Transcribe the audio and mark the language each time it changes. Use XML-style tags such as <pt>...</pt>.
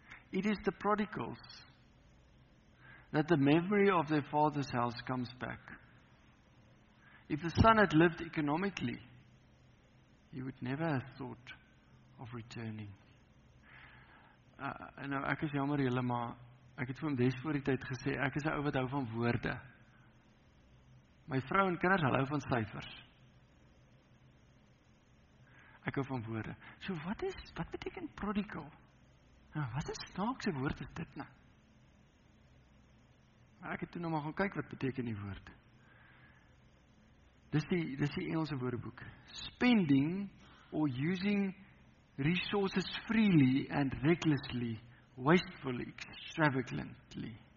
<en>It is the prodigals that the memory of their father's house comes back. If the son had lived economically, he would never have thought of returning.</en> <af>Nou, ek is jammer julle, maar ek het vir hom des voor die tyd gesê, ek is 'n ou wat hou van woorde. My vrou en kinders hou van syfers. Ek hou van woorde. So wat beteken prodigal? Nou, wat is snaakse woord is dit nou? Maar ek het toe nou maar gaan kyk wat beteken die woord. Dis die Engelse woordeboek.</af> <en>Spending or using resources freely and recklessly, wastefully, extravagantly.</en>